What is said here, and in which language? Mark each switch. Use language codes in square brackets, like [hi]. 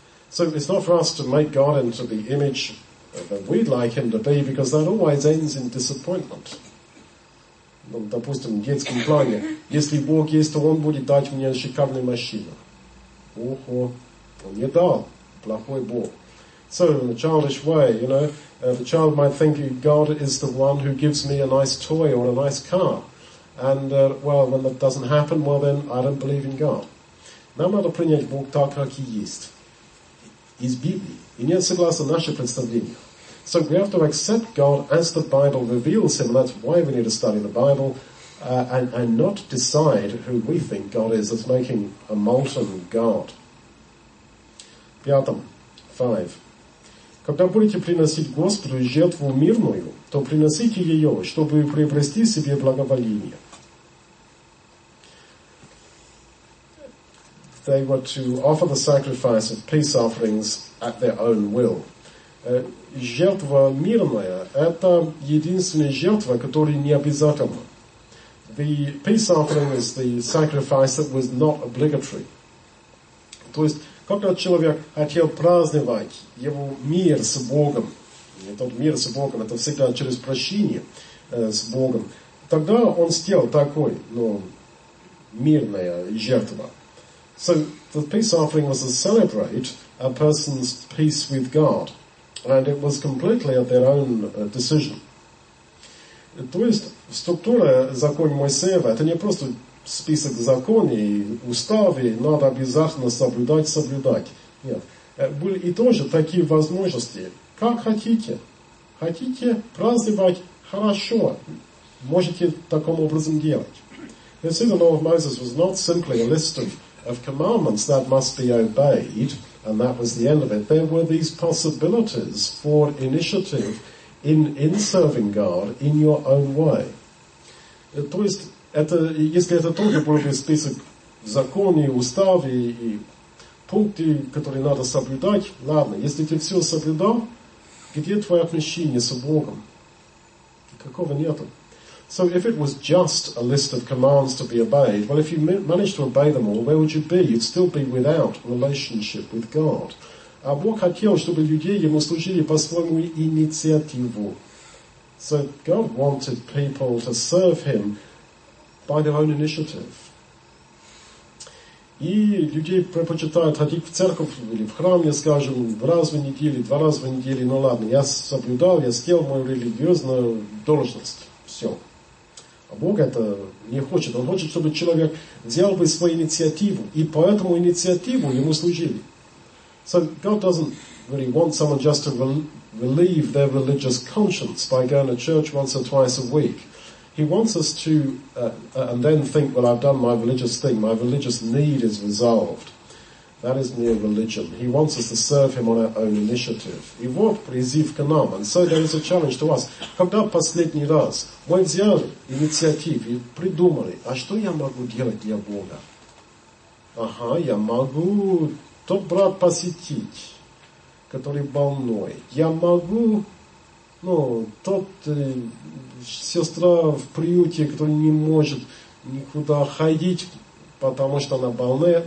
[en] So it's not for us to make God into the image that we'd like Him to be, because that always ends in disappointment. [ru] Ну, допустим, в детском плане, если Бог есть, то Он будет дать мне шикарную машину. Ого, Он не дал, плохой Бог. [en] So in a childish way, you know, the child might think God is the one who gives me a nice toy or a nice car. And, well, when that doesn't happen, well then, I don't believe in God. [ru] Нам надо принять Бог так, как и есть. Из Библии. И нет согласно наше представление. [en] So we have to accept God as the Bible reveals Him. That's why we need to study the Bible and not decide who we think God is as making a molten God. [ru] Пятом. [en] Five. [ru] Когда будете приносить Господу жертву мирную, то приносите ее, чтобы приобрести себе благоволение. [en] They were to offer the sacrifice of peace offerings at their own will. [ru] Жертва мирная – это единственная жертва, которая не обязательна. [en] The peace offering is the sacrifice that was not obligatory. [ru] То есть, когда человек хотел праздновать его мир с Богом, этот мир с Богом – это всегда через прощение с Богом, тогда он сделал такой, ну, мирная жертва. [en] So the peace offering was to celebrate a person's peace with God. And it was completely at their own decision. [ru] То есть, структура закона Моисеева, это не просто список законов и уставы, надо обязательно соблюдать, соблюдать. Нет. Были и тоже такие возможности. Как хотите. Хотите праздновать? Хорошо. Можете таким образом делать. [en] You see, the law of Moses was not simply a list of commandments that must be obeyed, and that was the end of it. There were these possibilities for initiative in serving God in your own way. [ru] То есть, это, если это тоже был бы список законов, уставов и пунктов, которые надо соблюдать, ладно, если ты все соблюдал, где твое отношение с Богом? Какого нету? [en] So if it was just a list of commands to be obeyed, well, if you managed to obey them all, where would you be? You'd still be without relationship with God. [ru] А Бог хотел, чтобы люди ему служили по своему инициативу. [en] So God wanted people to serve Him by their own initiative. [ru] И люди предпочитают ходить в церковь или в храм, я скажу, раз в неделю, два раза в неделю, ну ладно, я соблюдал, я сделал мою религиозную должность. Все. А Бог это не хочет. Он хочет, чтобы человек взял бы свою инициативу. И по этому инициативу ему служили. [en] So God doesn't really want someone just to relieve their religious conscience by going to church once or twice a week. He wants us to, and then think, well, I've done my religious thing. My religious need is resolved. That is mere religion. He wants us to serve Him on our own initiative. [ru] И вот призыв к нам. [en] And so there is a challenge to us. [ru] Когда последний раз мы взяли инициативу и придумали, а что я могу делать для Бога? Ага, я могу тот брат посетить, который больной. Я могу, ну, тот сестра в приюте, которая не может никуда ходить, потому что она больная.